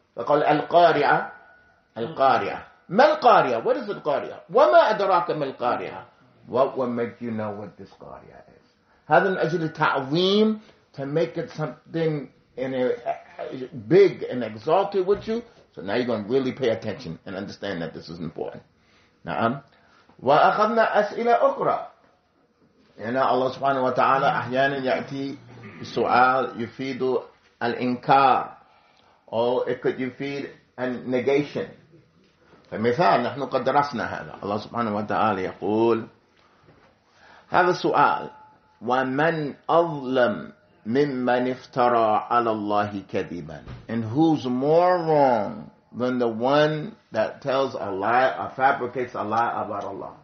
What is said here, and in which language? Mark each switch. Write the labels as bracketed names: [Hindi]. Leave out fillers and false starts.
[Arabic] فقال القارعة. القارعة. ما القارعة؟ [English] What is [Arabic] القارعة؟ وما أدراك ما القارعة؟ [English] What will make you know what this [Arabic] قارعة [English] is? [Arabic] هذا من أجل التعظيم. [English] To make it something in a big and exalted with you. So now you're going to really pay attention and understand that this is important. [Arabic] نعم. وأخذنا أسئلة أخرى. هنا الله سبحانه وتعالى أحيانا يأتي سؤال يفيد الإنكار. [English] Or it could [Arabic] يفيد [English] a negation. [Arabic] فمثال نحن قد درسنا هذا. الله سبحانه وتعالى يقول هذا السؤال ومن أظلم ممن افترى على الله كذبا. [English] And who's more wrong than the one that tells a lie or fabricates a lie about Allah?